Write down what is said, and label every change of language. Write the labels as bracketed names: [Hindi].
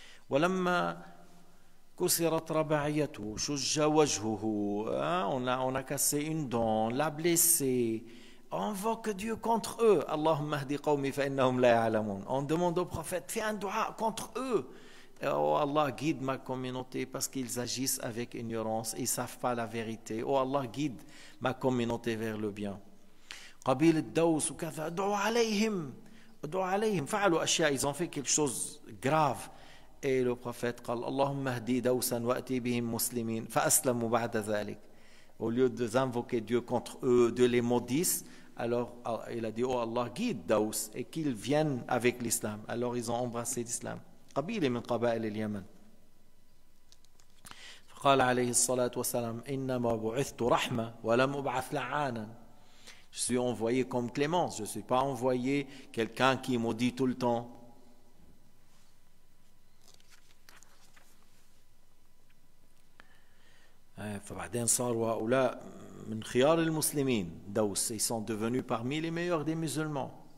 [Arabic] ولما كسرت رباعيته شج وجهه [French] on a cassé une dent l'a blessé on invoque Dieu contre eux [Arabic] اللهم اهدي قومي فإنهم لا يعلمون [French] on demande au prophète fais un dua contre eux Oh Allah, guide ma communauté parce qu'ils agissent avec ignorance, ils ne savent pas la vérité. Oh Allah, guide ma communauté vers le bien. [Arabic] قبيل الدوس وكذا ادعو عليهم فعلوا أشياء [French] ils ont fait quelque chose grave. Et le prophète [Arabic] قال اللهم اهدي دوسا وأتي بهم مسلمين فأسلموا بعد ذلك. [French] Au lieu de les invoquer Dieu contre eux, de les maudisse, alors il a dit Oh Allah, guide Daous et qu'ils viennent avec l'islam. Alors ils ont embrassé l'islam. [Arabic] قبيلة من قبائل اليمن فقال عليه الصلاة والسلام إنما بعثت رحمة ولم أبعث لعانا [French] Je suis envoyé comme clémence Je ne suis pas envoyé quelqu'un qui maudit tout le temps [Arabic] فبعدين صاروا هؤلاء من خيار المسلمين دوس [French] Ils sont devenus parmi les meilleurs des musulmans